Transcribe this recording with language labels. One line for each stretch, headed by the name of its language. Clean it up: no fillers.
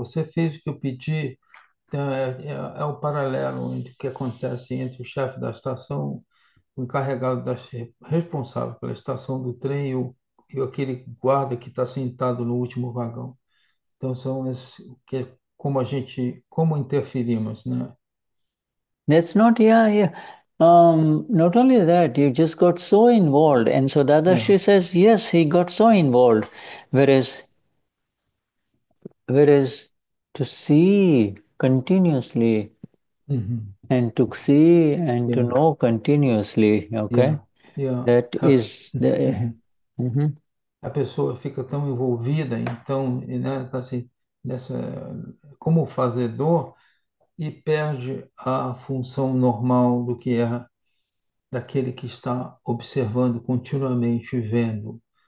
Portuguese: Você fez o que eu pedi. Então, é o paralelo entre o que acontece entre o chefe da estação, o encarregado responsável pela estação do trem e aquele guarda que está sentado no último vagão. Então, são esses, como a gente, como interferimos, né?
English: That's not, not only that, you just got so involved. And so Dadashi says, yes, he got so involved. Whereas to see continuously and to see and to know continuously, okay, that is the.
Portuguese: A pessoa fica tão envolvida, então, né, assim, nessa como fazedor e perde a função normal do que é daquele que está observando continuamente, vendo.